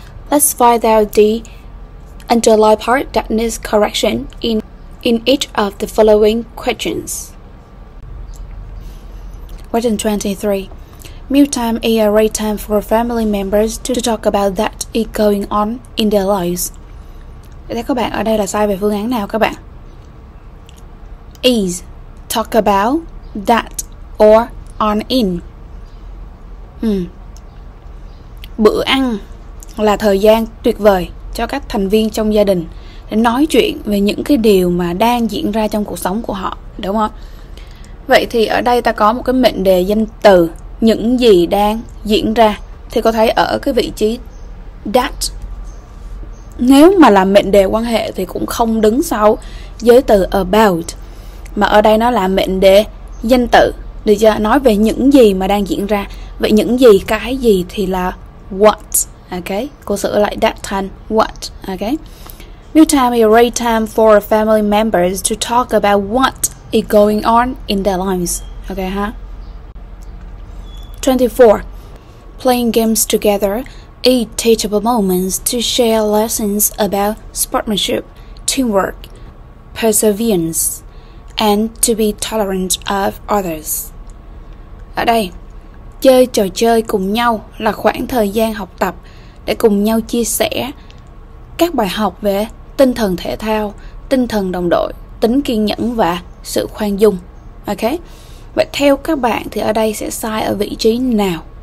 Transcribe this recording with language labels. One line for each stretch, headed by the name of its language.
English: Let's find out the underlying part that needs correction in each of the following questions. Question 23. Meal time is a great time for family members to talk about that is going on in their lives.
Vietnamese: Thế các bạn, ở đây là sai về phương án nào các bạn? Is, talk about, that, or on in. Bữa ăn là thời gian tuyệt vời cho các thành viên trong gia đình để nói chuyện về những cái điều mà đang diễn ra trong cuộc sống của họ, đúng không? Vậy thì ở đây ta có một cái mệnh đề danh từ, những gì đang diễn ra. Thì có thấy ở cái vị trí that, nếu mà là mệnh đề quan hệ thì cũng không đứng sau giới từ about, mà ở đây nó là mệnh đề danh từ, được chưa? Nói về những gì mà đang diễn ra. Vậy những gì, cái gì thì là what. Ok, cô sửa lại that thành what. Ok.
English: Meal time is a great time for family members to talk about what is going on in their lives. Ok ha. 24. Playing games together is teachable moments to share lessons about sportsmanship, teamwork, perseverance, and to be tolerant of others.
Vietnamese: Ở đây, chơi trò chơi cùng nhau là khoảng thời gian học tập để cùng nhau chia sẻ các bài học về tinh thần thể thao, tinh thần đồng đội, tính kiên nhẫn và sự khoan dung. Ok? Vậy theo các bạn thì ở đây sẽ sai ở vị trí nào?